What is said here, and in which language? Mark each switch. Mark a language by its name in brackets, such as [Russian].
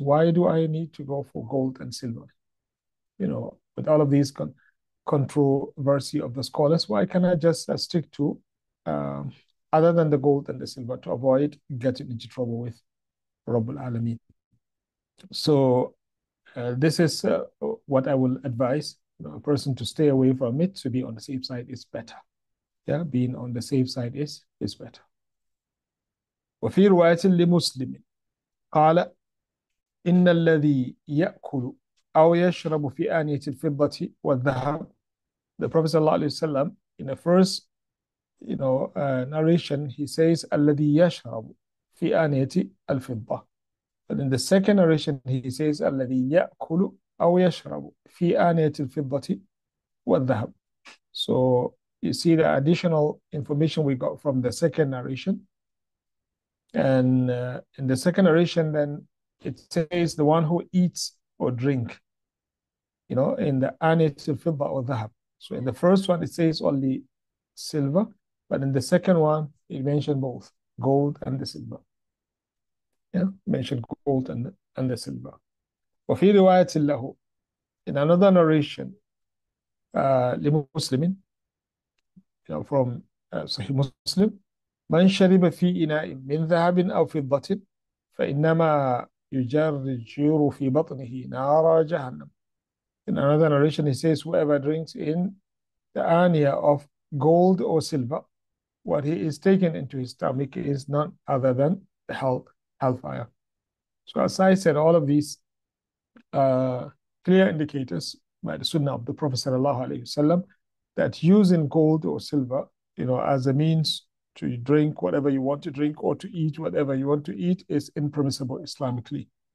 [English] Why do I need to go for gold and silver? With all of these controversy of the scholars, why can't I just stick to other than the gold and the silver to avoid getting into trouble with Rabbul Alameen? So this is what I will advise, a person to stay away from it. To be on the safe side is better. Yeah, being on the safe side is better. [Arabic] وفي رواية لمسلم قال إن الذي يأكل أو يشرب في آنية الفضة والذهب. [English] The Prophet sallallahu alaihi wasallam in the first narration, he says [Arabic] الذي يشرب في آنية الفضة. [English] And in the second narration, he says [Arabic] الذي يأكل أو يشرب في آنية الفضة والذهب. [English] So you see the additional information we got from the second narration. And in the second narration, then it says the one who eats or drink, in the anit silver or dhahab. So in the first one, it says only silver, but in the second one, it mentioned both gold and the silver. Yeah, it mentioned gold and the silver. [Arabic] وفي رواية له, [English] in another narration, [Arabic] لمسلمين, [English] from Sahih Muslim. [Arabic] من شرب في إناء من ذهب أو فضة فإنما يجرجر في بطنه نار جهنم. [English] In another narration, he says, whoever drinks in the ania of gold or silver, what he is taking into his stomach is none other than the hellfire. So as I said, all of these clear indicators by the Sunnah of the Prophet sallallahu alaihi wasallam that using gold or silver, as a means to drink whatever you want to drink or to eat whatever you want to eat is impermissible Islamically.